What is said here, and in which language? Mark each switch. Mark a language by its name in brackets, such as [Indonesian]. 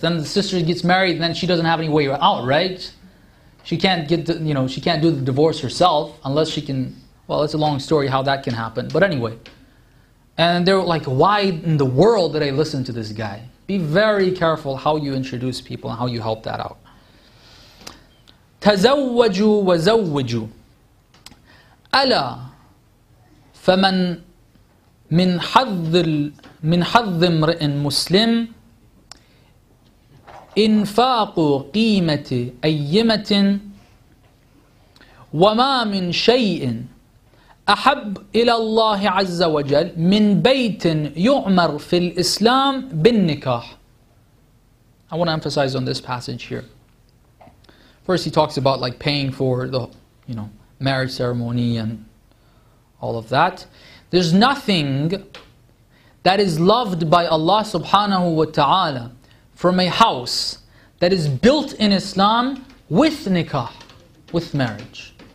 [English] Then the sister gets married and then she doesn't have any way out, right? She can't get the, you know, she can't do the divorce herself unless she can, well, it's a long story how that can happen. But anyway, and they're like, why in the world did I listen to this guy? Be very careful how you introduce people and how you help that out. [Arabic] تَزَوَّجُوا وَزَوَّجُوا أَلَا فَمَنْ مِنْ حَظِّ امْرِئٍ مُسْلِمٍ إِنْفَاقُ قِيمَةِ أَيِّمَةٍ وَمَا مِنْ شَيْءٍ أَحَبُّ إِلَى اللَّهِ عَزَّ وَجَلْ مِنْ بَيْتٍ يُعْمَرْ فِي الْإِسْلَامِ بِالنِّكَاحِ. [English] I want to emphasize on this passage here. First he talks about like paying for the, you know, marriage ceremony and all of that. There's nothing that is loved by Allah subhanahu wa ta'ala from a house that is built in Islam with nikah, with marriage.